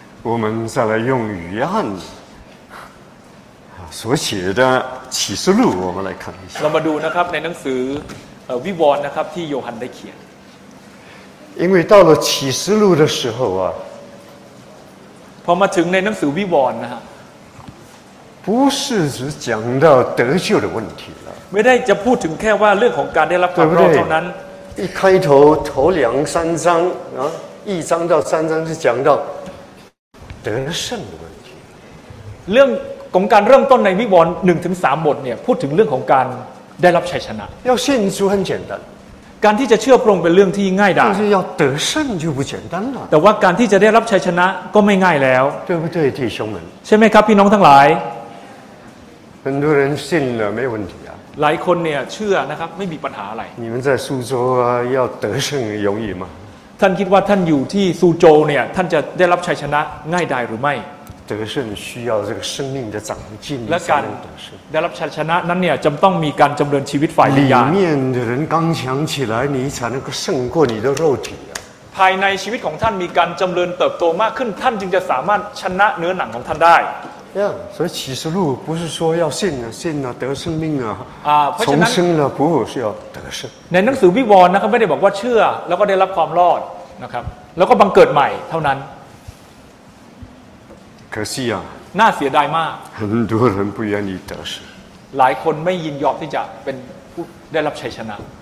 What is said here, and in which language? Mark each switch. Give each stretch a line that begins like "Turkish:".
Chinese: 我们再来用约翰所写的启示录我们来看一下
Thai: เรามาดูนะครับในหนังสือวิวรณ์นะครับที่โยฮันได้เขียน
Chinese: 因为到了启示录的时候啊
Thai: พอมาถึงในหนังสือวิวรณ์นะฮะ
Chinese: 不是只讲到得救的问题了
Thai: ไม่ได้จะพูดถึงแค่ว่าเรื่องของการได้รับความรอดเท่านั้น
Chinese: 一开头头两三章啊一章到三章是讲到得胜的问题
Thai: เรื่องของการเริ่มต้นในวิวรณ์1ถึง3บทเนี่ยพูดถึงเรื่องของการได้รับชัยชนะ
Chinese: 要信主很简单
Thai: การที่จะเชื่อพระองค์เป็นเรื่องที่ง่ายดาย
Chinese: 但是要得胜就不简单了
Thai: แต่ว่าการที่จะได้รับชัยชนะก็ไม่ง่ายแล้ว
Chinese: 对不对弟兄们
Thai: ใช่ไหมครับพี่น้องทั้งหลาย
Chinese: 很多人信了没问题啊
Thai: หลายคนเนี่ยเชื่อนะครับไม่มีปัญหาอะไร
Chinese: 你们在苏州啊要得胜容易吗
Thai: ท่านคิดว่าท่านอยู่ที่ซูโจวเนี่ยท่านจะได้รับชัยชนะง่ายดายหรือไม่
Chinese: 得胜需要这个生命的长进
Thai: และการได้รับชัยชนะนั้นเนี่ยจำต้องมีการเจริญชีวิตฝ่ายวิญญาณ
Chinese: 里面的人刚强起来你才能够胜过你的肉体啊
Thai: ภายในชีวิตของท่านมีการเจริญเติบโตมากขึ้นท่านจึงจะสามารถชนะเนื้อหนังของท่านได้
Chinese: Yeah, 所以启示录不是说要信啊信啊得生命啊重生了不是要得胜
Thai: ในหนังสือวิวรณ์นะครับไม่ได้บอกว่าเชื่อแล้วก็ได้รับความรอดนะครับแล้วก็บังเกิดใหม่เท่านั้น
Chinese: 可惜啊
Thai: น่าเสียดายมาก
Chinese: 很多人不愿意得胜
Thai: หลายคนไม่ยินยอมที่จะเป็นผู้ได้รับชัยชนะ